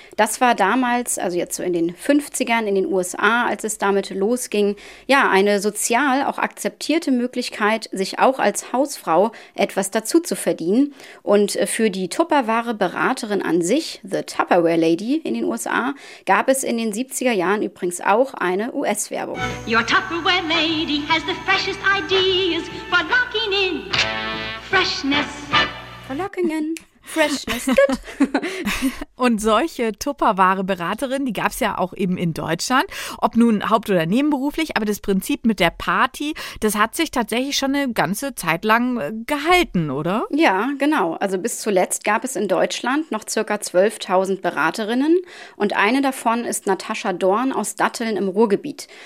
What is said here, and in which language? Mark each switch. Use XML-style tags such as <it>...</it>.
<de>Das war damals, also jetzt so in den 50ern in den USA, als es damit losging, ja, eine sozial auch akzeptierte Möglichkeit, sich auch als Hausfrau etwas dazu zu verdienen. Und für die Tupperware-Beraterin an sich, The Tupperware Lady in den USA, gab es in den 70er Jahren übrigens auch eine US-Werbung.</de> <en>Your Tupperware lady has the freshest ideas for locking in freshness. For locking in freshness.</en> <de>Und solche Tupperware-Beraterinnen, die gab es ja auch eben in Deutschland, ob nun haupt- oder nebenberuflich, aber das Prinzip mit der Party, das hat sich tatsächlich schon eine ganze Zeit lang gehalten, oder? Ja, genau. Also bis zuletzt gab es in Deutschland noch ca. 12.000 Beraterinnen und eine davon ist Natascha Dorn aus Datteln im Ruhrgebiet.</de>